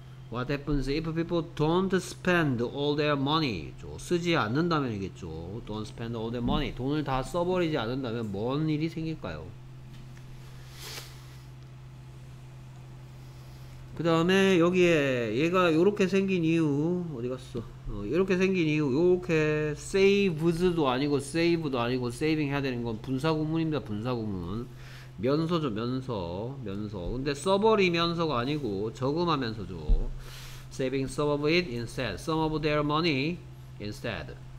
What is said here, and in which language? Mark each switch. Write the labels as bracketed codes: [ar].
[en] What happens if people don't spend all their money? [ko] 쓰지 않는다면이겠죠. [en] Don't spend all their money. [ko] 돈을 다 써버리지 않는다면 뭔 일이 생길까요? 그 다음에 여기에 얘가 요렇게 생긴 이유 어디갔어? 요렇게 생긴 이유, 요렇게 saves도 아니고 save도 아니고 saving 해야 되는 건 분사구문입니다. 분사구문 면서죠. 면서 근데 써버리면서가 아니고 저금하면서죠. [en] saving some of it instead, some of their money instead.